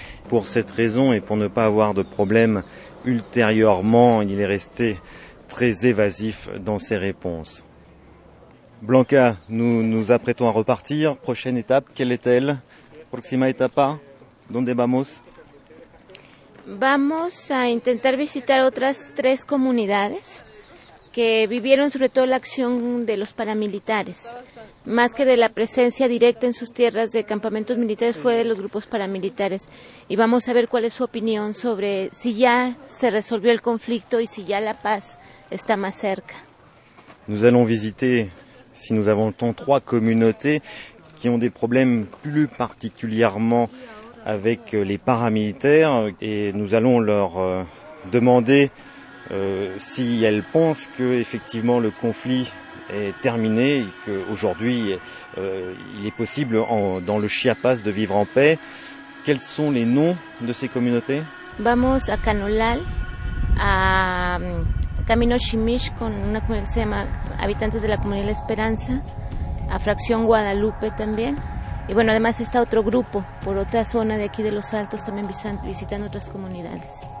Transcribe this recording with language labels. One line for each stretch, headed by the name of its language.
French: Pour cette raison et pour ne pas avoir de problème ultérieurement, il est resté très évasif dans ses réponses. Blanca, nous nous apprêtons à repartir. Prochaine étape, quelle est-elle ?
Spanish: Próxima etapa, ¿dónde vamos? Vamos a intentar visitar otras tres comunidades que vivieron sobre todo la acción de los paramilitares. Más que de la presencia directa en sus tierras de campamentos militares, fue de los grupos paramilitares. Y vamos a ver cuál es su opinión sobre si ya se resolvió el conflicto y si ya la paz está más cerca.
French: Nous allons visiter, si nous avons le temps, trois communautés qui ont des problèmes plus particulièrement avec les paramilitaires et nous allons leur demander si elles pensent que effectivement le conflit est terminé et qu'aujourd'hui il est possible dans le Chiapas de vivre en paix. Quels sont les noms de ces communautés?
Spanish: Vamos a Canolal, a Camino Chimich, con una comunidad que se llama Habitantes de la Comunidad La Esperanza, a Fracción Guadalupe también, y bueno, además está otro grupo por otra zona de aquí de Los Altos también visitando otras comunidades.